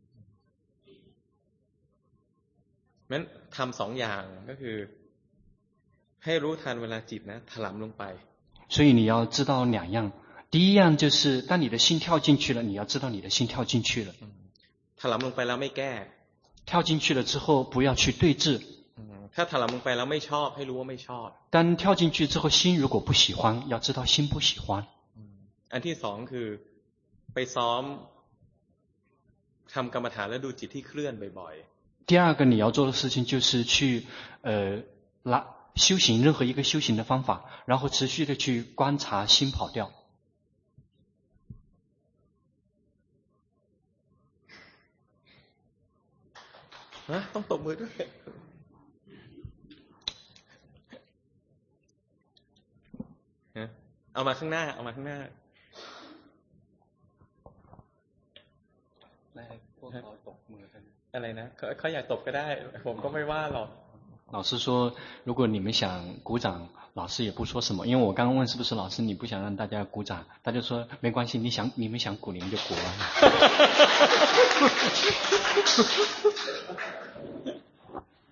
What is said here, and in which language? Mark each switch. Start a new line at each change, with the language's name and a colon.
Chinese: 我们做了两样就是
Thai: ให้รู้ทันเวลาจิตนะถลำลงไป
Chinese: 所以你要知道两样第一样就是当你的心跳进去了你要知道你的心跳进去了
Thai: ถลำลงไปแล้วไม่แก้
Chinese: 跳进去了之后不要去对峙
Thai: ถ้าถลำลงไปแล้วไม่ชอบให้รู้ว่าไม่ชอบ
Chinese: 但跳进去之后心如果不喜欢要知道心不喜欢
Thai: อันที่สองคือไปซ้อมทำกรรมฐานแล้วดูจิตที่เคลื่อนบ่อย
Chinese: ๆ第二个你要做的事情就是去
Thai: ละ
Chinese: 修行任何一个修行的方法然后持续的去观察心跑掉
Thai: 啊ต้องตบมือด้วยเอามาข้างหน้าเอามาข้างหน้า แล้วพวกเขาตบมือกันอะไรนะเขาอยากตบก็ได้ผมก็ไม่ว่าหรอก
Chinese: 老师说如果你们想鼓掌老师也不说什么因为我刚刚问是不是老师你不想让大家鼓掌大家说没关系你们想鼓你们就鼓了